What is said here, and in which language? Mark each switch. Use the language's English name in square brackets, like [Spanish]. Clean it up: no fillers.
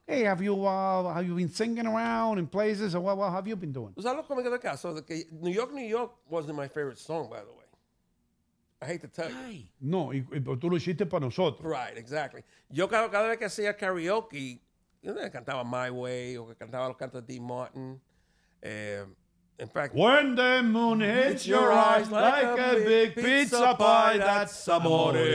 [English] Hey, have you been singing around in places? Or what have you been doing? [Spanish] Pues algo como que acá. [English] So, New York wasn't my favorite song, by the way. I hate to tell you. [Spanish] No, y tú lo hiciste para nosotros. [English] Right, exactly. [Spanish] Yo cada vez que hacía karaoke, yo no cantaba My Way o que cantaba los cantos de Dean Martin. [English] In fact, when the moon hits your eyes like a big pizza pie, that's amore.